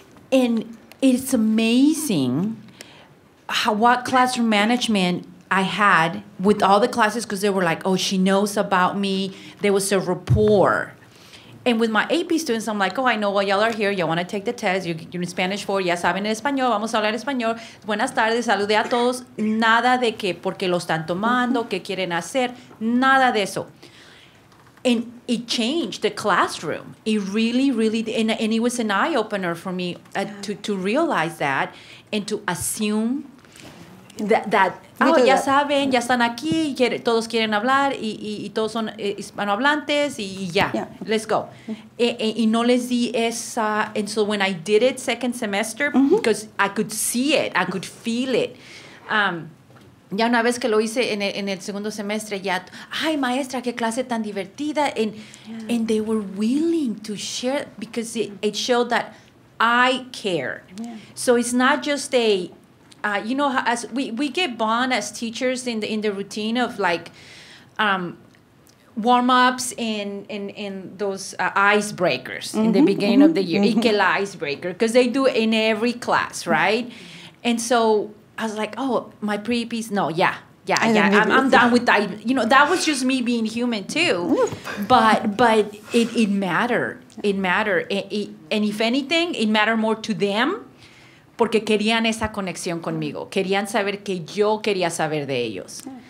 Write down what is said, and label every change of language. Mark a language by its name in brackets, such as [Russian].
[English] And it's amazing what classroom management I had with all the classes, because they were like, oh, she knows about me. There was a rapport. And with my AP students, I'm like, oh, I know why y'all are here. Y'all want to take the test. You're in Spanish for, [Spanish] ya saben en español. Vamos a hablar español. Buenas tardes. Salude a todos. Nada de que, porque lo están tomando, que quieren hacer. Nada de eso. [English] And it changed the classroom. It really, really, and it was an eye-opener for me to realize that and to assume that. [Spanish] Ya saben, ya están aquí, todos quieren hablar, y todos son hispanohablantes, y ya, [English] let's go. [Spanish] Y no les di esa, [English] and so when I did it second semester, because I could see it, I could feel it. [Spanish] Ya una vez que lo hice en el segundo semestre, ya, ay, maestra, qué clase tan divertida. [English] And they were willing to share, because it showed that I care. Yeah. So it's not just as we get bond as teachers in the routine of like warm-ups and those icebreakers in the beginning of the year. [Spanish] Y que la [English] icebreaker, because they do in every class, right? And so I was like, oh, my pre-piece, no, yeah. I'm done with that. You know, that was just me being human too. But it mattered. It mattered. And if anything, it mattered more to them. [Spanish] Porque querían esa conexión conmigo. Querían saber que yo quería saber de ellos.